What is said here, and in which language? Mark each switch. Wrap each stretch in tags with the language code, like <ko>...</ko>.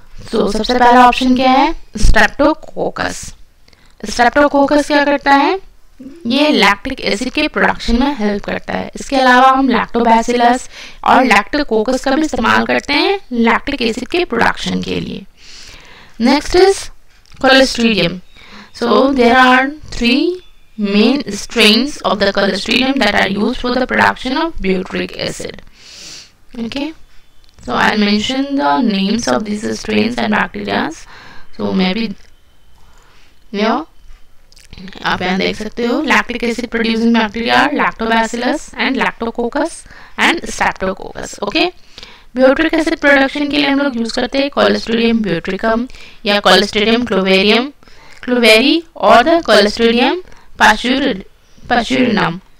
<hi>सो सबसे पहला ऑप्शन क्या है, स्ट्रेप्टोकोकस. स्ट्रेप्टोकोकस क्या करता है, ये लैक्टिक एसिड के प्रोडक्शन में हेल्प करता है. इसके अलावा हम लैक्टोबैसिलस और लैक्टोकोकस का भी इस्तेमाल करते हैं लैक्टिक एसिड के प्रोडक्शन के लिए.</hi> <en>Next is Clostridium. So there are three main strains of the Clostridium that are used for the production of butyric acid. Okay, so I'll mention the names of these strains and bacteria.</en> <hi>So maybe आप यहाँ देख सकते हो lactic acid producing bacteria lactobacillus and Lactococcus and Streptococcus. Okay, butyric acid production के लिए हम लोग use करते हैं क्लोस्ट्रिडियम ब्यूट्रिकम या क्लोस्ट्रिडियम क्लोवेरियम क्लोवेरी और द क्लोस्ट्रिडियम पाश्चुरिनम.</hi>